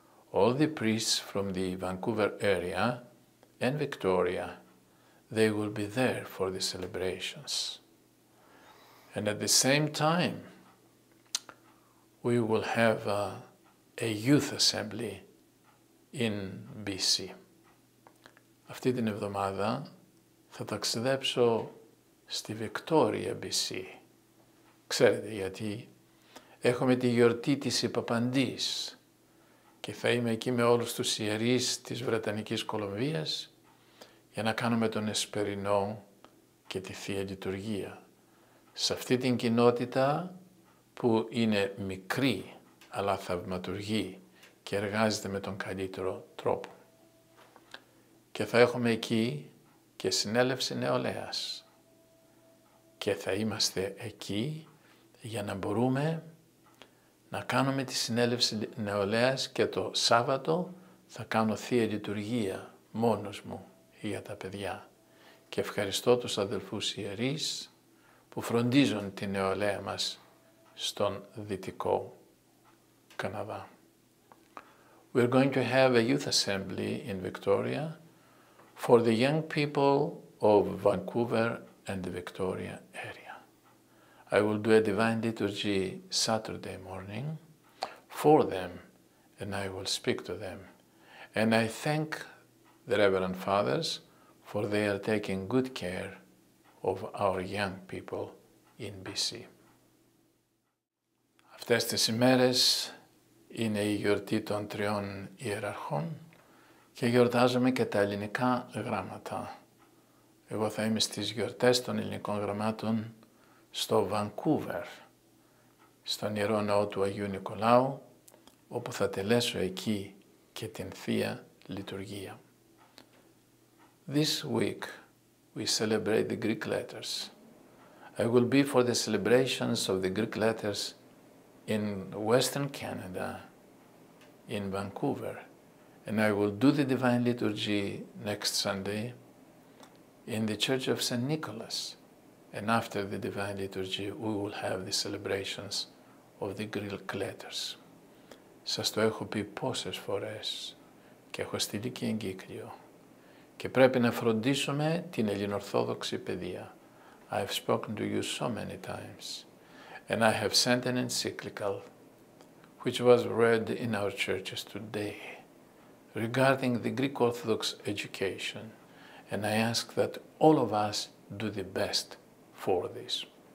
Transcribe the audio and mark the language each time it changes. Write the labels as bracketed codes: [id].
[en] All the priests from the Vancouver area and Victoria, they will be there for the celebrations. And at the same time, we will have a youth assembly in BC. [el] Αυτή την εβδομάδα θα ταξιδέψω στη Βικτόρια, BC. Ξέρετε γιατί έχουμε τη γιορτή της Ιπαπαντής και θα είμαι εκεί με όλους τους ιερείς της Βρετανικής Κολομβίας για να κάνουμε τον Εσπερινό και τη Θεία Λειτουργία. Σε αυτή την κοινότητα που είναι μικρή αλλά θαυματουργή και εργάζεται με τον καλύτερο τρόπο. Και θα έχουμε εκεί και συνέλευση νεολαίας. Και θα είμαστε εκεί για να μπορούμε να κάνουμε τη συνέλευση νεολαίας και το Σάββατο θα κάνω Θεία Λειτουργία μόνος μου για τα παιδιά. Και ευχαριστώ τους αδελφούς ιερείς που φροντίζουν την νεολαία μας στον Δυτικό Καναδά. [en] We're going to have a youth assembly in Victoria for the young people of Vancouver and the Victoria area. I will do a Divine Liturgy Saturday morning for them, and I will speak to them. And I thank the Reverend Fathers for they are taking good care of our young people in BC. [el] Αυτές τις ημέρες είναι η γιορτή των τριών ιεραρχών και γιορτάζουμε και τα ελληνικά γράμματα. Εγώ θα είμαι στις γιορτές των ελληνικών γραμμάτων στο Vancouver, στον Ιερό Ναό του Αγίου Νικολάου, όπου θα τελέσω εκεί και την Θεία Λειτουργία. [en] This week we celebrate the Greek letters. I will be for the celebrations of the Greek letters in Western Canada, in Vancouver. And I will do the Divine Liturgy next Sunday in the Church of St. Nicholas. And after the Divine Liturgy, we will have the celebrations of the Greek letters. [el] Σας το έχω πει πόσες φορές και έχω στείλει και εγκύκλιο. Και πρέπει να φροντίσουμε την Ελληνοορθόδοξη παιδεία. [en] I have spoken to you so many times. And I have sent an encyclical, which was read in our churches today, regarding the Greek Orthodox education. And I ask that all of us do the best for this.